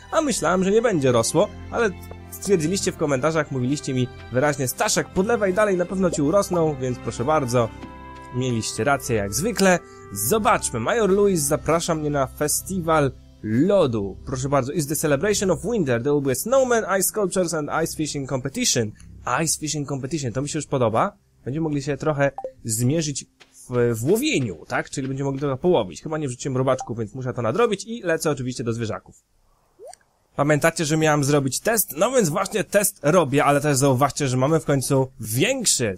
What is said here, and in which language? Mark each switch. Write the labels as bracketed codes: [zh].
[pl] A myślałem, że nie będzie rosło, ale stwierdziliście w komentarzach, mówiliście mi wyraźnie, Staszek, podlewaj dalej, na pewno ci urosną, więc proszę bardzo, mieliście rację jak zwykle. Zobaczmy, Major Louis zaprasza mnie na festiwal lodu. Proszę bardzo, [en] it's the celebration of winter. There will be snowmen, ice sculptures and ice fishing competition. Ice fishing competition, [pl] to mi się już podoba. Będziemy mogli się trochę zmierzyć w łowieniu, tak? Czyli będziemy mogli to połowić. Chyba nie wrzuciłem robaczków, więc muszę to nadrobić i lecę oczywiście do zwierzaków. Pamiętacie, że miałem zrobić test? No więc właśnie test robię, ale też zauważcie, że mamy w końcu większy.